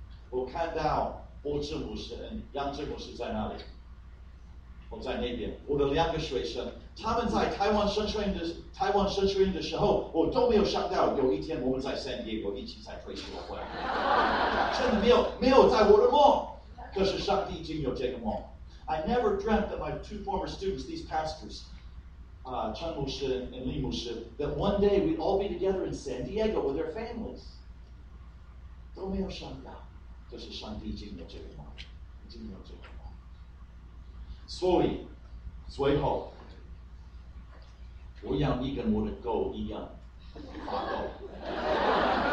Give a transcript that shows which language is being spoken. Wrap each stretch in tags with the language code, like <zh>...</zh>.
<zh>我看到波智牧师、杨智牧师在那里，我在那边，我的两个学生，他们在台湾神学院的时候，我都没有想到有一天我们在 San Diego 一起在退休会，真的没有在我的梦，可是上帝已经有这个梦。</zh> <en>I never dreamt that my two former students, these pastors,陈牧师 and 李牧师 that one day we'd all be together in San Diego with their families.</en> <zh>都没有想到，这是上帝经的这个话，经的这个话。所以，最后，我要你跟我的狗一样发抖。</zh>